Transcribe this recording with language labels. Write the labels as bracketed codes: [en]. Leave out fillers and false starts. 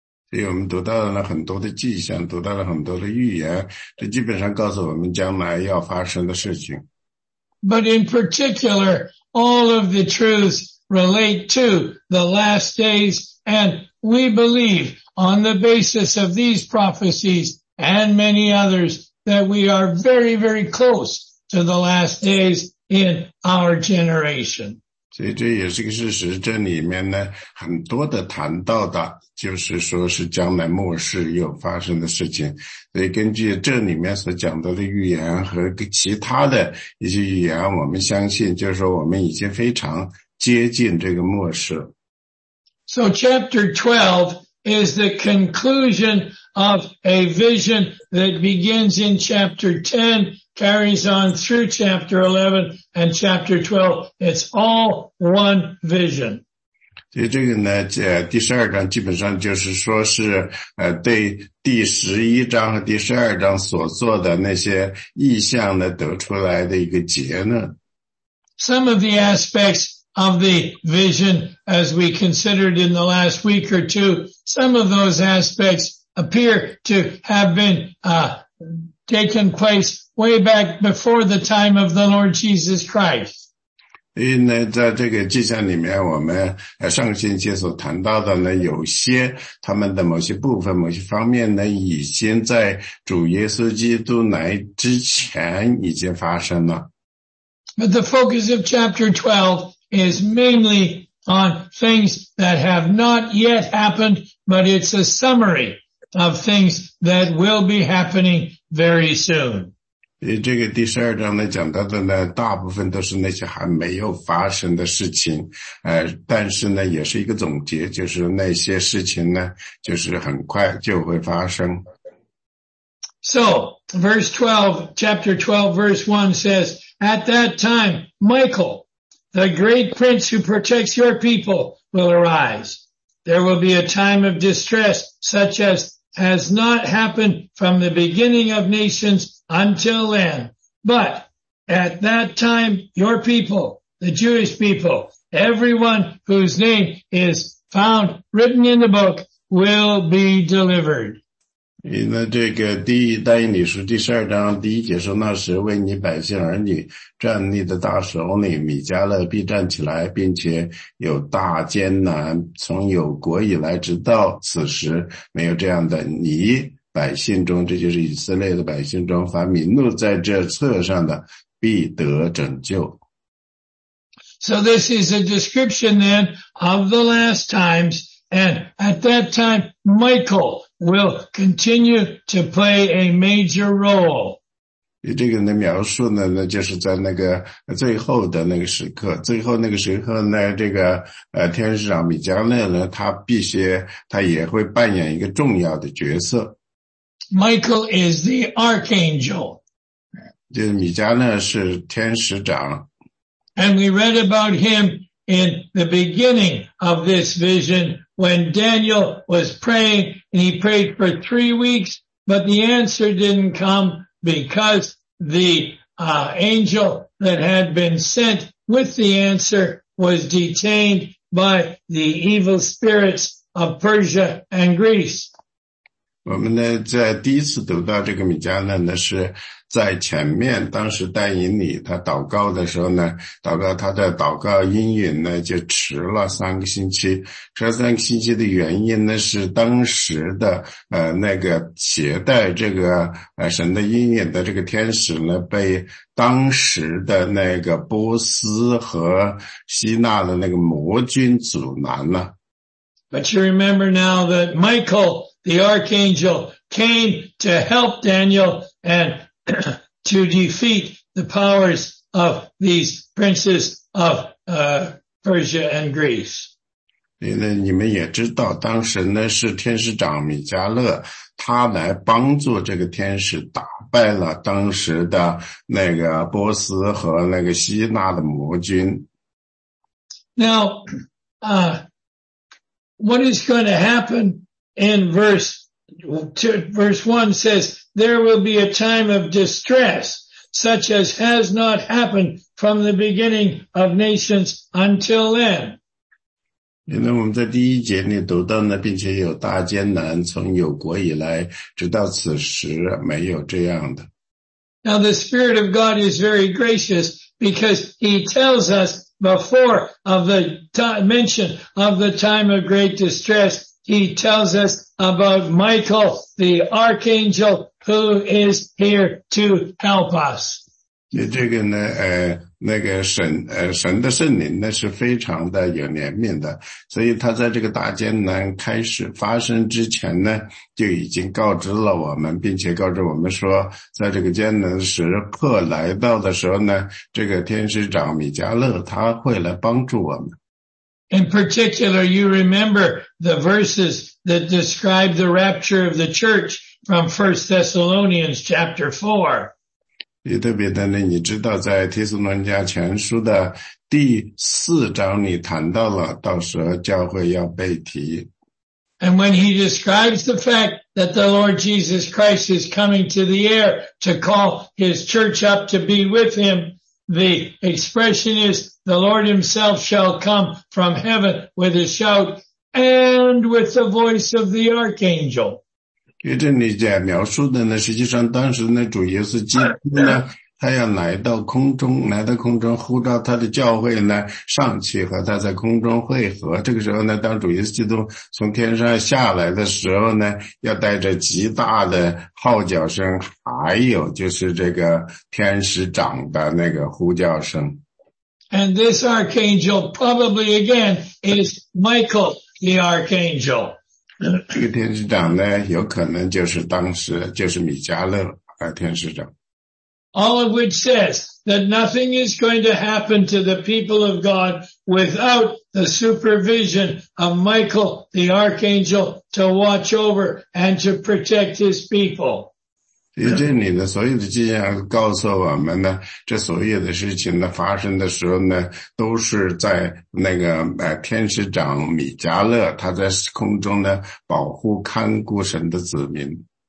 [zh] 所以我们读到了很多的迹象，读到了很多的预言，这基本上告诉我们将来要发生的事情。 [en] But in particular,All of the truths relate to the last days, and we believe on the basis of these prophecies and many others that we are very, very close to the last days in our generation. [zh] 所以这也是个事实，这里面呢，很多的谈到的，就是说是将来末世又发生的事情。所以根据这里面所讲到的预言和其他的一些预言，我们相信就是说我们已经非常接近这个末世。 [en] So chapter 12 is the conclusion of a vision that begins in chapter 10, carries on through chapter 11 and chapter 12. It's all one vision. [zh] 所以这个呢，第十二章基本上就是说是对第十一章和第十二章所做的那些意象呢得出来的一个结论。 [en] Some of the aspects of the vision, as we considered in the last week or two, some of those aspects appear to have been taken place way back before the time of the Lord Jesus Christ. [zh] 因为呢，在这个迹象里面，我们上个星期所谈到的呢，有些他们的某些部分、某些方面呢，已经在主耶稣基督来之前已经发生了。 [en] But the focus of chapter 12 is mainly on things that have not yet happened, but it's a summary of things that will be happening very soon. [zh] 这个第十二章呢讲到的呢大部分都是那些还没有发生的事情但是呢也是一个总结，就是那些事情呢就是很快就会发生。 [en] So, verse 12, chapter 12, verse 1 says, At that time, Michael, the great prince who protects your people, will arise. There will be a time of distress such as has not happened from the beginning of nations,Until then, but at that time, your people, the Jewish people, everyone whose name is found written in the book will be delivered. [zh] 那这个第一但以理书第十二章第一节说，那时为你百姓儿女站立的大使欧内米迦勒必站起来，并且有大艰难，从有国以来直到此时没有这样的。你百姓中，这就是以色列的百姓中，凡民怒在这册上的必得拯救。 [en] So this is a description then of the last times, and at that time Michael will continue to play a major role. [zh] 以这个的描述呢，那就是在那个最后的那个时刻，最后那个时刻呢，这个天使长米迦勒呢，他必须他也会扮演一个重要的角色。 [en] Michael is the archangel. [zh] 就是米迦勒是天使长。 [en] And we read about him in the beginning of this vision when Daniel was praying, and he prayed for 3 weeks, but the answer didn't come because the angel that had been sent with the answer was detained by the evil spirits of Persia and Greece. [zh] 我们呢在第一次读到这个米迦勒呢，是在前面当时但以理他祷告的时候呢，祷告他的祷告应允呢就迟了三个星期，迟了三个星期的原因呢是当时的那个携带这个神的应允的这个天使呢，被当时的那个波斯和希腊的那个魔君阻拦了。 [en] But you remember now that Michael the archangel came to help Daniel and to defeat the powers of these princes of Persia and Greece. [zh] 那你们也知道，当时呢是天使长米迦勒，他来帮助这个天使打败了当时的那个波斯和那个希腊的魔君。 [en] Now, what is going to happen? In verse 1 says, there will be a time of distress, such as has not happened from the beginning of nations until then. [zh] 因为我们在第一节里读到呢，并且有大艰难，从有国以来，直到此时没有这样的。 [en] Now the Spirit of God is very gracious because he tells us before of the mention of the time of great distress,He tells us about Michael, the archangel, who is here to help us. [zh] 这个呢，那个神的圣灵呢是非常的有怜悯的，所以他在这个大艰难开始发生之前呢，就已经告知了我们，并且告知我们说，在这个艰难时刻来到的时候呢，这个天使长米迦勒他会来帮助我们。 [en] In particular, you remember the verses that describe the rapture of the church from 1 Thessalonians chapter 4. [zh] 也特别的呢，你知道在《提斯罗尼迦前书》的第四章里谈到了，到时候教会要被提。 [en] And when he describes the fact that the Lord Jesus Christ is coming to the air to call his church up to be with him,The expression is, the Lord himself shall come from heaven with a shout and with the voice of the archangel. [zh] 这里描述的呢，实际上当时呢，主耶稣基督呢，他要来到空中，来到空中呼召他的教会呢，上去和他在空中会合。这个时候呢，当主耶稣基督从天上下来的时候呢，要带着极大的号角声，还有就是这个天使长的那个呼叫声。 [en] And this archangel probably again is Michael the archangel. [zh] 这个天使长呢，有可能就是当时就是米迦勒天使长。 [en] All of which says that nothing is going to happen to the people of God without the supervision of Michael the archangel to watch over and to protect his people. [zh] 这里呢，所有的迹象告诉我们呢，这所有的事情呢发生的时候呢，都是在那个天使长米迦勒他在空中呢保护看顾神的子民。